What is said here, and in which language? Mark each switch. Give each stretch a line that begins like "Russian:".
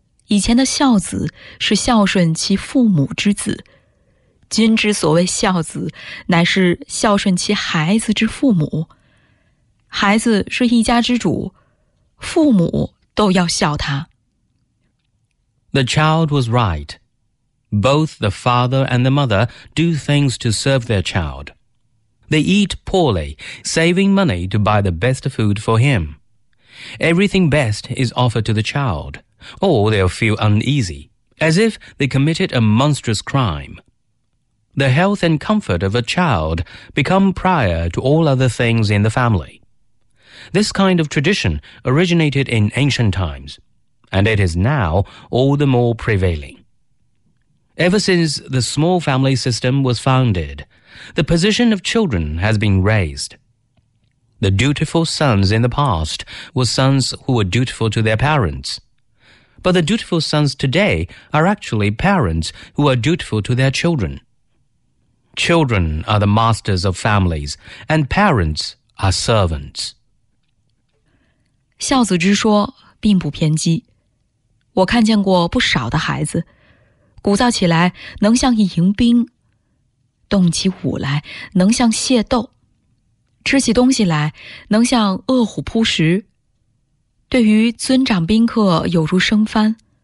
Chinese: 以前的孝子是孝顺其父母之子，今之所谓孝子乃是孝顺其孩子之父母。孩子是一家之主，父母都要孝他。
English: The child was right. Both the father and the mother do things to serve their child. They eat poorly, saving money to buy the best food for him. Everything best is offered to the child, or they'll feel uneasy, as if they committed a monstrous crime. The health and comfort of a child become prior to all other things in the family. This kind of tradition originated in ancient times, and it is now all the more prevailing. Ever since the small family system was founded, the position of children has been raised. The dutiful sons in the past were sons who were dutiful to their parents. But the dutiful sons today are actually parents who are dutiful to their children. Children are the masters of families, and parents are servants.
Chinese: 孝子之说并不偏激，我看见过不少的孩子，鼓噪起来能像一迎宾，动起舞来能像械斗，吃起东西来能像饿虎扑食，对于尊长宾客有如生番，